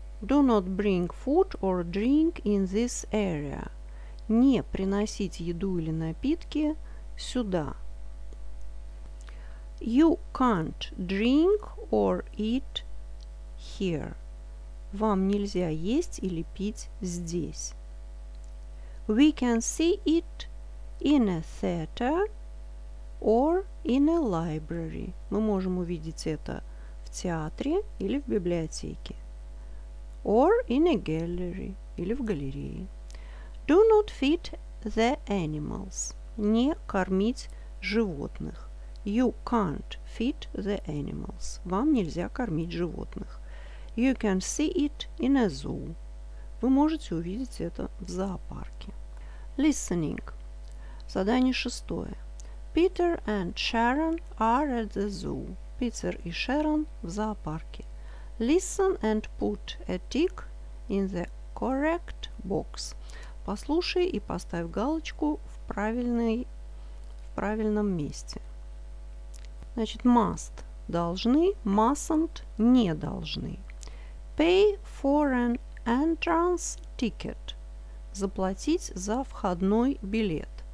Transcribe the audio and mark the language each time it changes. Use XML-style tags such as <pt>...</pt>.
<en>Do not bring food or drink in this area.</en> <ru>Не приносить еду или напитки сюда.</ru> <en>You can't drink or eat here.</en> <ru>Вам нельзя есть или пить здесь.</ru> <en>We can see it in a theater. Or in a library.</en> <ru>Мы можем увидеть это в театре или в библиотеке.</ru> <en>Or in a gallery.</en> <ru>Или в галерее.</ru> <en>Do not feed the animals.</en> <ru>Не кормить животных.</ru> <en>You can't feed the animals.</en> <ru>Вам нельзя кормить животных.</ru> <en>You can see it in a zoo.</en> <ru>Вы можете увидеть это в зоопарке.</ru> <en>Listening.</en> <ru>Задание шестое.</ru> <en>Peter and Sharon are at the zoo.</en> <ru>Питер и Шэрон в зоопарке.</ru> <en>Listen and put a tick in the correct box.</en> <ru>Послушай и поставь галочку в правильном месте. Значит, must – должны, mustn't – не должны.</ru> <en>Pay for an entrance ticket.</en> <ru>Заплатить за входной билет.</ru>